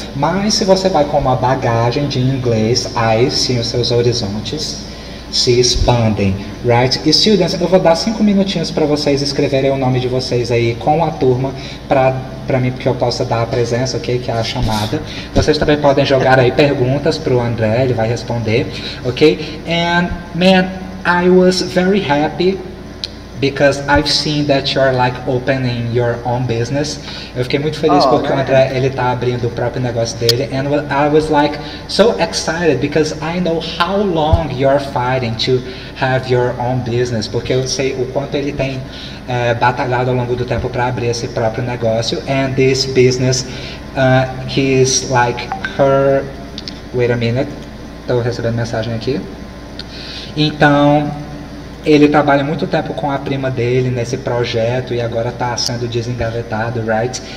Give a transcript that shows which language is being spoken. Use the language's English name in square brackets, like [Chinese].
[Portuguese] Mas se você vai com uma bagagem de inglês, aí sim os seus horizontes se expandem, right? E students, eu vou dar 5 minutinhos para vocês escreverem o nome de vocês aí com a turma para mim, porque eu possa dar a presença, ok? Que é a chamada. Vocês também podem jogar aí perguntas pro André, ele vai responder, ok? [English] And man, I was very happy because I've seen that you're like opening your own business. [Portuguese] Eu fiquei muito feliz porque o André, ele tá abrindo o próprio negócio dele. [English] And I was like so excited because I know how long you're fighting to have your own business. [Portuguese] Porque eu sei o quanto ele tem batalhado ao longo do tempo para abrir esse próprio negócio. [English] And this business, he's like her... Wait a minute. [Portuguese] Tô recebendo mensagem aqui. Então... Ele trabalha muito tempo com a prima dele nesse projeto e agora está sendo desengavetado, right?